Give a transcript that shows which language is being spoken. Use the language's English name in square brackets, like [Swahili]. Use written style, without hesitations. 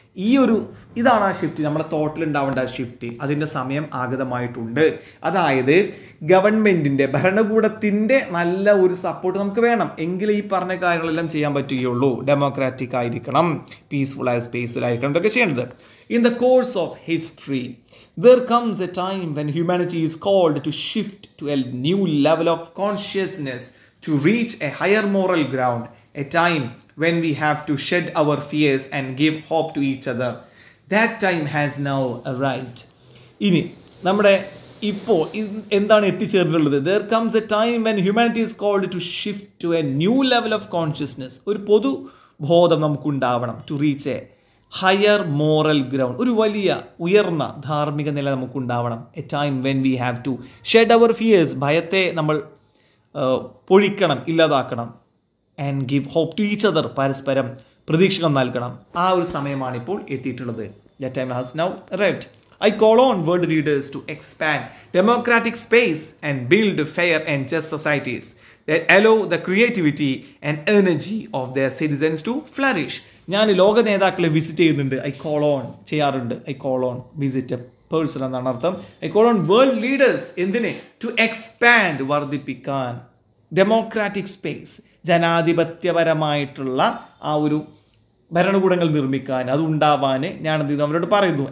[Malayalam] ഈ ഒരു ഇതാണ് ആ ഷിഫ്റ്റ്, നമ്മുടെ തോട്ടിൽ ഉണ്ടാവേണ്ട ആ ഷിഫ്റ്റ്, അതിൻ്റെ സമയം ആഗതമായിട്ടുണ്ട്. അതായത് ഗവൺമെൻറ്റിൻ്റെ, ഭരണകൂടത്തിൻ്റെ നല്ല ഒരു സപ്പോർട്ട് നമുക്ക് വേണം, എങ്കിലേ ഈ പറഞ്ഞ കാര്യങ്ങളെല്ലാം ചെയ്യാൻ പറ്റുകയുള്ളൂ. ഡെമോക്രാറ്റിക് ആയിരിക്കണം, പീസ്ഫുള്ളായ സ്പേസിലായിരിക്കണം ഇതൊക്കെ ചെയ്യേണ്ടത്. [English] In the course of history there comes a time when humanity is called to shift to a new level of consciousness to reach a higher moral ground, a time when we have to shed our fears and give hope to each other. That time has now arrived. [Malayalam] ഇനി നമ്മുടെ ഇപ്പോൾ എന്താണ് എത്തിച്ചേർന്നിട്ടുള്ളത്? [English] There comes a time when humanity is called to shift to a new level of consciousness. [Malayalam] ഒരു പൊതു ബോധം നമുക്കുണ്ടാവണം [English] To reach a higher moral ground. [Malayalam] ഒരു വലിയ ഉയർന്ന ധാർമ്മിക നില നമുക്കുണ്ടാവണം. [English] A time when we have to shed our fears. [Malayalam] ഭയത്തെ നമ്മൾ പൊഴിക്കണം, ഇല്ലാതാക്കണം. [English] And give hope to each other. [Malayalam] പരസ്പരം പ്രതീക്ഷകൾ നൽകണം. ആ ഒരു സമയമാണിപ്പോൾ എത്തിയിട്ടുള്ളത്. [English] The time has now arrived. I call on world leaders to expand democratic space and build fair and just societies that allow the creativity and energy of their citizens to flourish. [Malayalam] ഞാൻ ലോക നേതാക്കളെ visit ചെയ്യുന്നുണ്ട്, I call on ചെയ്യാറുണ്ട്. [English] I call on visit a person [Malayalam] എന്നാണ് അർത്ഥം. [English] I call on world leaders എന്തിനെ? To expand, [Malayalam] വർദ്ധിപ്പിക്കാൻ democratic space, ജനാധിപത്യപരമായിട്ടുള്ള ആ ഒരു ഭരണകൂടങ്ങൾ നിർമ്മിക്കാൻ, അതുണ്ടാവാൻ ഞാനെന്ത് ചെയ്യുന്നു അവരോട് പറയുന്നു.